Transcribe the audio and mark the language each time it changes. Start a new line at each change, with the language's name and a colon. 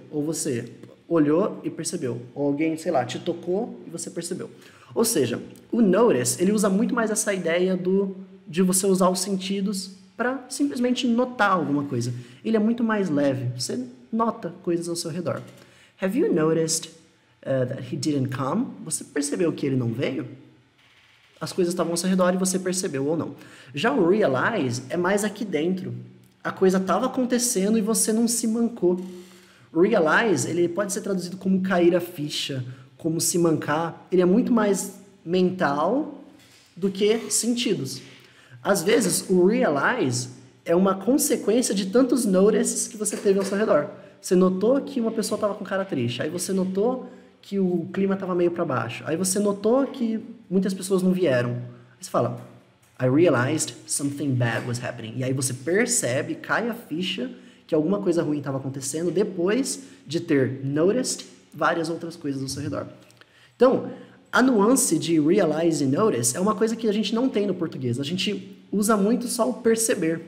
Portuguese: Ou você olhou e percebeu. Ou alguém, sei lá, te tocou e você percebeu. Ou seja, o notice, ele usa muito mais essa ideia de você usar os sentidos para simplesmente notar alguma coisa. Ele é muito mais leve. Você nota coisas ao seu redor.
English: Have you noticed, that he didn't come?
Portuguese: Você percebeu que ele não veio? As coisas estavam ao seu redor e você percebeu ou não. Já o realize é mais aqui dentro. A coisa estava acontecendo e você não se mancou. Realize, ele pode ser traduzido como cair a ficha, como se mancar. Ele é muito mais mental do que sentidos. Às vezes, o realize é uma consequência de tantos notices que você teve ao seu redor. Você notou que uma pessoa estava com cara triste, aí você notou que o clima estava meio para baixo, aí você notou que muitas pessoas não vieram. Aí você fala,
English: I realized something bad was happening.
Portuguese: E aí você percebe, cai a ficha, que alguma coisa ruim estava acontecendo depois de ter noticed várias outras coisas ao seu redor. Então, a nuance de realize e notice é uma coisa que a gente não tem no português. A gente usa muito só o perceber.